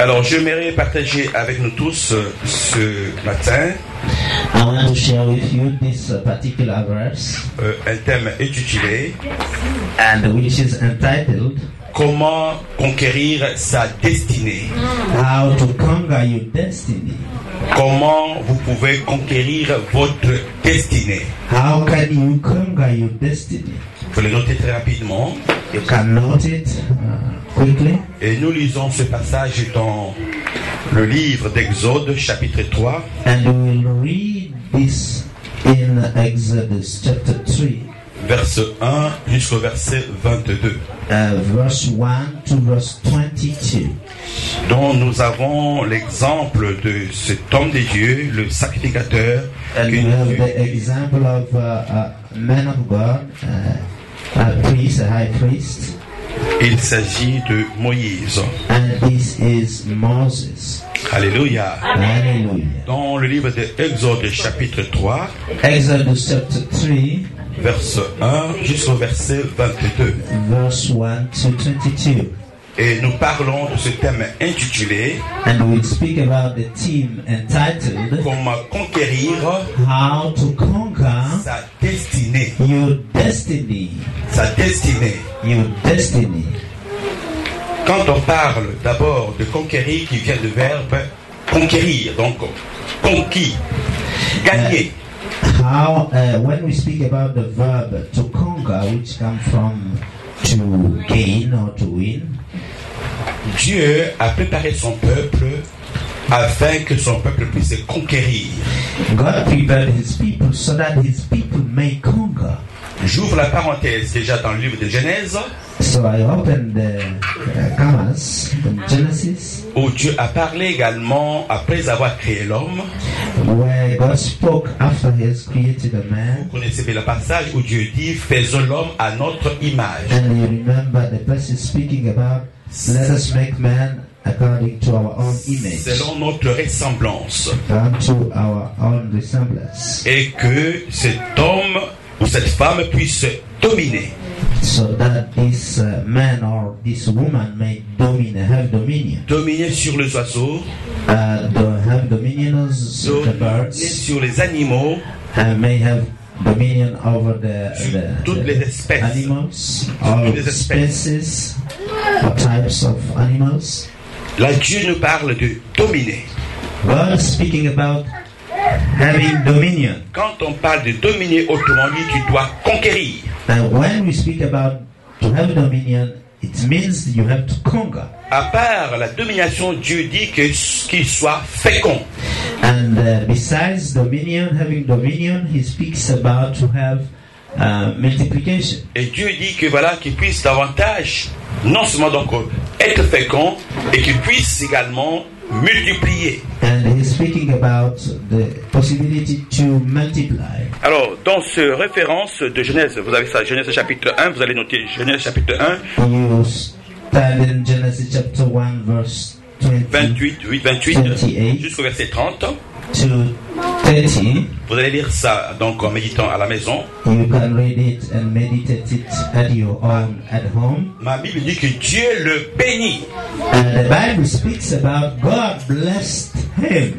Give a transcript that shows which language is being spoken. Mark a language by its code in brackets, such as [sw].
[fr] Alors, j'aimerais partager avec nous tous ce matin. [en] I want to share with you this particular verse. [fr] Un thème intitulé. [en] And which is entitled. [fr] Comment conquérir sa destinée? [en] How to conquer your destiny? [fr] Comment vous pouvez conquérir votre destinée? [en] How can you conquer your destiny? [fr] Vous le notez très rapidement. [en] You can note it quickly. [fr] Et nous lisons ce passage dans le livre d'Exode, chapitre 3. [en] And we will read this in Exodus, chapter 3. [fr] Verset 1 jusqu'au verset 22. [en] Verse 1 to verse 22. [fr] Dont nous avons l'exemple de cet homme de Dieu, le sacrificateur. [en] And we have the example of a man of God. A priest, a high priest. [fr] Il s'agit de Moïse. [en] And this is Moses. Alléluia. Alléluia. [fr] Dans le livre d'Exode, chapitre 3, [en] Exode, chapter 3, [fr] verse 1 jusqu'au verset 22. [en] Verse 1 to 22. [fr] Et nous parlons de ce thème intitulé. [en] And we speak about the theme entitled. [fr] Comment conquérir. [en] How to conquer. [fr] Sa destinée. [en] Your destiny. [fr] Sa destinée. [en] Your destiny. [fr] Quand on parle d'abord de conquérir, qui vient du verbe conquérir, donc conquis, gagner. [en] How when we speak about the verb to conquer, which comes from to gain or to win. [fr] Dieu a préparé son peuple afin que son peuple puisse conquérir. [en] God prepared his people so that his people may conquer. [fr] J'ouvre la parenthèse déjà dans le livre de Genèse. [en] So I open the Genesis. [fr] Où Dieu a parlé également après avoir créé l'homme. [en] Where God spoke after he has created a man. [fr] Vous connaissez bien le passage où Dieu dit faisons l'homme à notre image. [en] And you remember the passage speaking about let us make man according to our own image. [fr] Selon notre ressemblance. [en] According to our own resemblance. [fr] Et que cet homme ou cette femme puisse dominer. [en] So that this man or this woman may have dominion. [fr] Dominer sur les oiseaux. [en] Have dominion over the birds. [fr] Sur les animaux. [en] May have dominion over the [fr] toutes les espèces. [en] Animals. [fr] Toutes les espèces. [en] Species, types of animals. [fr] Là, Dieu nous parle de dominer. [en] God speaking about having dominion. [fr] Quand on parle de dominer, autrement dit, tu dois conquérir. [en] And when we speak about to have dominion, it means you have to conquer. [fr] À part la domination, Dieu dit que qu'il soit fécond. [en] And besides dominion, having dominion, he speaks about to have multiplication. [fr] Et Dieu dit que voilà qu'il puisse davantage, non seulement donc être fécond et qu'il puisse également multiplier. [en] And he's speaking about the possibility to multiply. [fr] Alors, dans ce référence de Genèse, vous avez ça, Genèse chapitre 1, vous allez noter Genèse chapitre 1. [en] You stand in Genesis chapter 1, verse 28 [fr] jusqu'au verset 30. [en] To 30. [fr] Vous allez lire ça donc en méditant à la maison. [en] You can read it and meditate it at your own at home. [fr] Ma Bible dit que Dieu le bénit. [en] And the Bible speaks about God blessed him.